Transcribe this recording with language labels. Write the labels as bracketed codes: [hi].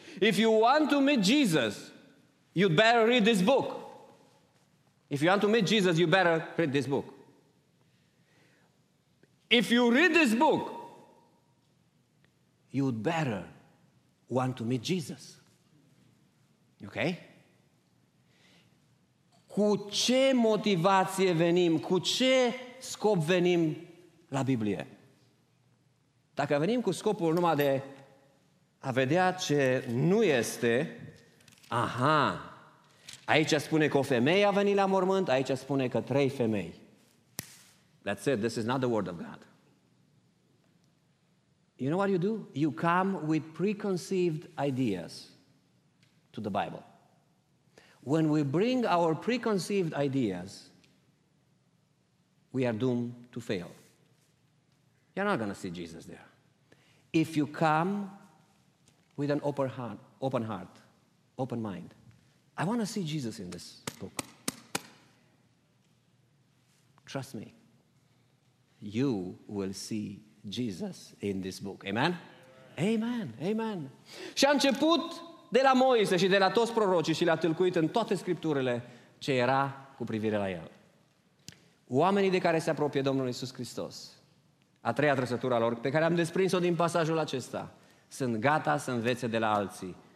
[en] If you want to meet Jesus, you better read this book. If you want to meet Jesus, you better read this book. If you read this book, you'd better want to meet Jesus. Ok? [ro] Cu ce motivație venim, cu ce scop venim la Biblie? Dacă venim cu scopul numai de a vedea ce nu este, aha, aici spune că o femeie a venit la mormânt, aici spune că trei femei. [en] That's it, this is not the word of God. You know what you do? You come with preconceived ideas to the Bible. When we bring our preconceived ideas, we are doomed to fail. You're not going to see Jesus there. If you come with an open heart, open mind, I want to see Jesus in this book. Trust me, you will see Jesus in this book. Amen? Amen, amen. [ro] Și a început de la Moise și de la toți prorocii și le-a tâlcuit în toate scripturile ce era cu privire la el. Oamenii de care se apropie Domnul Iisus Hristos, a treia trăsătura lor, pe care am desprins-o din pasajul acesta, sunt gata să învețe de la alții.